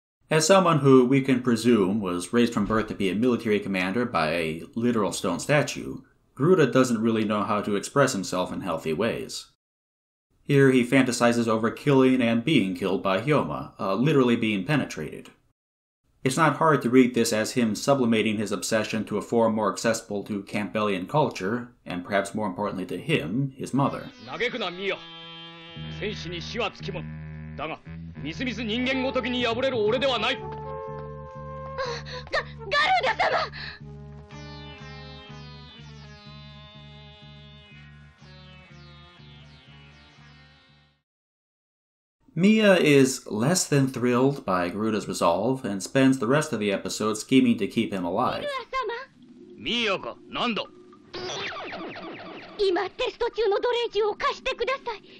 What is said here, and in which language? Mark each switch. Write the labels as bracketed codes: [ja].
[en] As someone who we can presume was raised from birth to be a military commander by a literal stone statue, Garuda doesn't really know how to express himself in healthy ways. Here he fantasizes over killing and being killed by Hyoma, literally being penetrated. It's not hard to read this as him sublimating his obsession to a form more accessible to Campbellian culture, and perhaps more importantly to him, his mother. [ja] 嘆くな、ミア。戦士に死はつきもの。だが、 みすみす人間ごときに敗れる俺ではない。ガルーダ様！ [en] Mia is less than thrilled by Garuda's resolve and spends the rest of the episode scheming to keep him alive. [ja] Mia-ka、何だ？今テスト中の奴隷銃を貸してください。